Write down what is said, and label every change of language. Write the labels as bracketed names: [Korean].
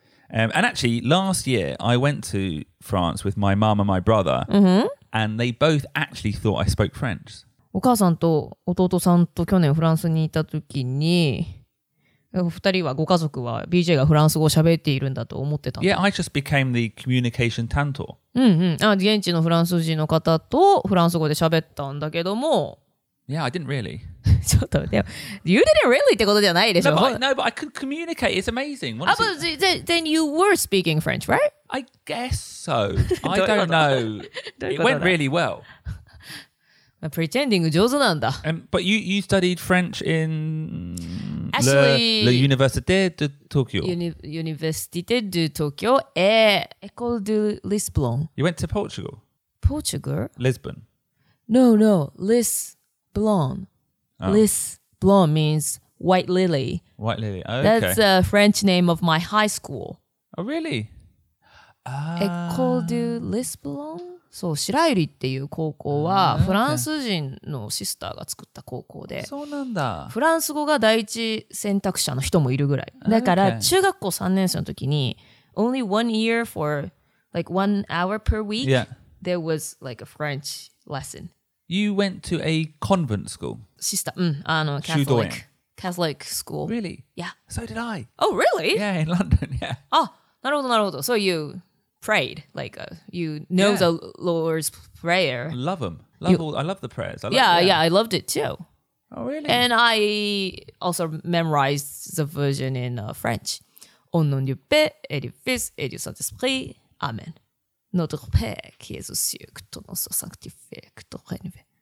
[English] And actually, last year, I went to France with my mom and my brother. Mm-hmm. And they both actually thought I spoke French. [Japanese] お母さんと弟さんと去年フランスにいた時に、お二人はご家族は BJ がフランス語を喋っているんだと思ってたんだ。 [English] Yeah, I just became the communication 担当。 [Japanese] 現地のフランス人の方とフランス語で喋ったんだけども、 [English] Yeah, I didn't really. [Japanese] ちょっとでも、 [English] You didn't really [Japanese] ってことじゃないでしょ。 [English] No, but I could communicate. It's amazing. Then you were speaking French, right? I guess so. I don't know. It went really well. Pretending [Japanese] 上手なんだ。 [English] But you studied French in actually, [French] l'Université de Tokyo. Université de Tokyo et École de Lisbonne. [English] You went to Portugal? Portugal? Lisbon. No, Lisbon. Blonde. Oh. Lis blonde means white lily. White lily. Okay. That's a French name of my high school. Oh, really? [French] École de Lis blonde? [Japanese] そう、白百合っていう高校はフランス人のシスターが作った高校で。そうなんだ。フランス語が第一選択者の人もいるぐらい。だから中学校3年生の時に、 [English] only one year for like 1 hour per week,、 yeah. there was like a French lesson. You went to a convent school. Sister, Catholic. Catholic school. Really? Yeah. So did I. Oh, really? Yeah, in London, yeah. Oh, なるほど。So you prayed, like, you know、yeah. the Lord's prayer. Love them. I love the prayers. Yeah, I loved it too. Oh, really? And I also memorized the version in French. [French] Au nom du Père et du Fils et du Saint-Esprit. Amen. Notre Père qui est aux cieux, que ton nom soit sanctifié, que ton règne vienne.